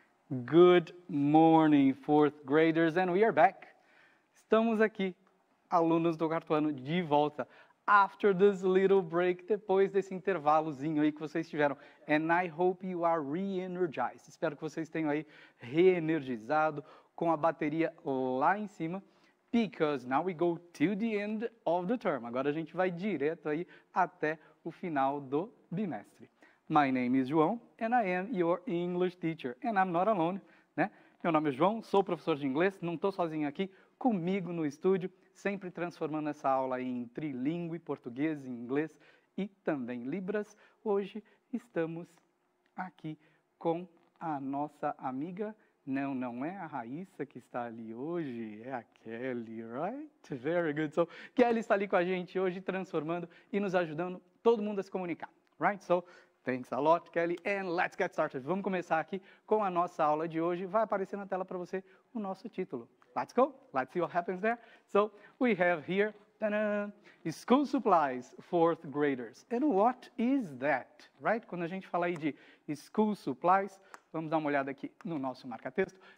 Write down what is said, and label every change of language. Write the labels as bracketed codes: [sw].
[en] Good morning, fourth graders, and we are back. [pt] Estamos aqui, alunos do quarto ano, de volta. [en] After this little break, [pt] depois desse intervalozinho aí que vocês tiveram. [en] And I hope you are re-energized. [pt] Espero que vocês tenham aí reenergizado com a bateria lá em cima. [en] Because now we go to the end of the term. [pt] Agora a gente vai direto aí até o final do bimestre. [en] My name is João, and I am your English teacher. And I'm not alone, né? [pt] Meu nome é João, sou professor de inglês, não estou sozinho aqui, comigo no estúdio, sempre transformando essa aula em trilingue, português, inglês e também libras. Hoje estamos aqui com a nossa amiga, não é a Raíssa que está ali hoje, é a Kelly, [en] right? Very good. [pt] So, Kelly está ali com a gente hoje, transformando e nos ajudando todo mundo a se comunicar, right? [en] So, thanks a lot, Kelly, and let's get started. [pt] Vamos começar aqui com a nossa aula de hoje. Vai aparecer na tela para você o nosso título. [en] Let's go. Let's see what happens there. So, we have here, school supplies, fourth graders. And what is that, right? [pt] Quando a gente fala aí de school supplies, vamos dar uma olhada aqui no nosso marca-texto.